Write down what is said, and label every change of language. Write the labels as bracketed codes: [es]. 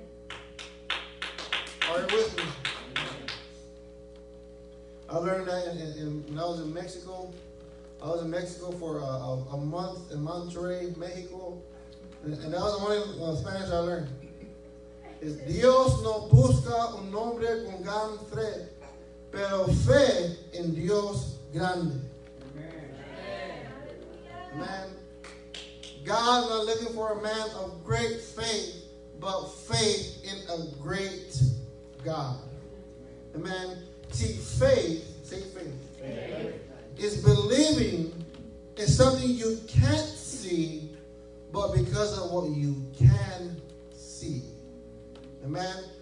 [en] Amen. Are you with me? I learned that when I was in Mexico. I was in Mexico for a month in Monterrey, Mexico. And that was the only Spanish I learned. [es] Is Dios no busca un hombre con gran fe, pero fe en Dios grande. [en] Amen. Amen. God is not looking for a man of great faith, but faith in a great God. Amen. See, faith, say faith. Faith. Is believing in something you can't see, but because of what you can see. Amen.